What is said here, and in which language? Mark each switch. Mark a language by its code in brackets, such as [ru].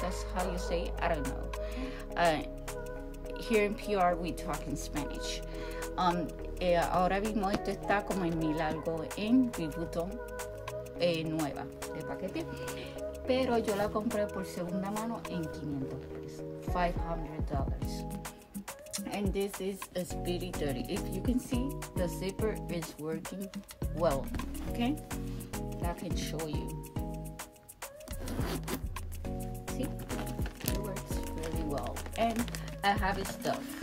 [en] That's how you say it? I don't know. Here in PR we talk in Spanish. [es] Ahora mismo esto está como en mil algo en Louis Vuitton nueva de paquete, pero yo la compré por segunda mano en $500. [en] $500. And this is a Speedy Dirty. If you can see, the zipper is working well. Okay, I can show you. See, it works really well. And I have a stuff.